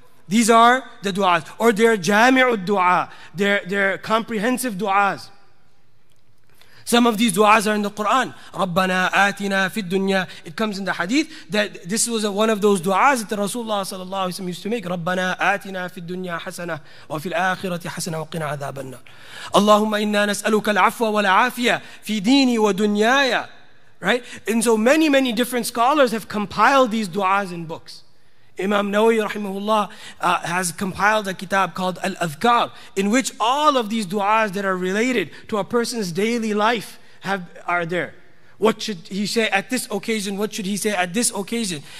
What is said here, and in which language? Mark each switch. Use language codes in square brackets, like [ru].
[en] These are the duas. Or their jami'u dua, their comprehensive duas. Some of these du'as are in the Quran. [ar] رَبَّنَا آتِنَا فِي الدُّنْيَا. [en] It comes in the hadith that this was one of those du'as that Rasulullah sallallahu alayhi wa sallam used to make. [ar] رَبَّنَا آتِنَا فِي الدُّنْيَا حَسَنَةً وَفِي الْآخِرَةِ حَسَنَةً وَقِنَا عَذَابَ النَّارِ. اللهم إنا نسألك العفو والعافية في ديني ودنيايا. [en] Right? And so many, many different scholars have compiled these du'as in books. Imam Nawawi rahimahullah has compiled a kitab called Al-Adhkar, in which all of these du'as that are related to a person's daily life are there. What should he say at this occasion? What should he say at this occasion?